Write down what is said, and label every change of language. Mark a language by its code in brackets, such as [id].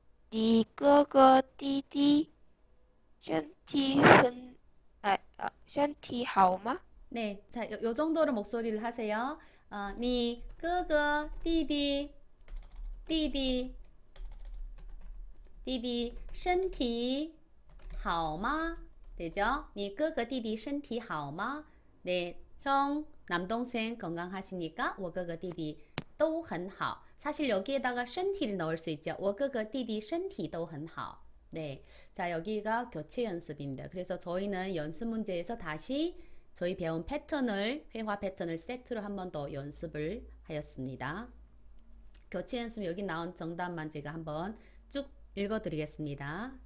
[zh] 你哥哥弟弟身体很，身体好吗？ [ko] 네, 자, 요 정도로 목소리를 하세요. [zh] 니 哥哥 弟弟 身体好吗？ 되죠? 니 哥哥 弟弟 身体好吗？ [ko] 네, 형 남동생 건강하십니까? [zh] 我哥哥弟弟都很好。 [ko] 사실 여기에다가 身体를 넣을 수 있죠. [zh] 我哥哥弟弟身体都很好。 [ko] 네, 자 여기가 교체 연습입니다. 그래서 저희는 연습 문제에서 다시 저희 배운 패턴을 회화 패턴을 세트로 한번더 연습을 하였습니다. 교체 연습 여기 나온 정답만 제가 한번 쭉 읽어드리겠습니다.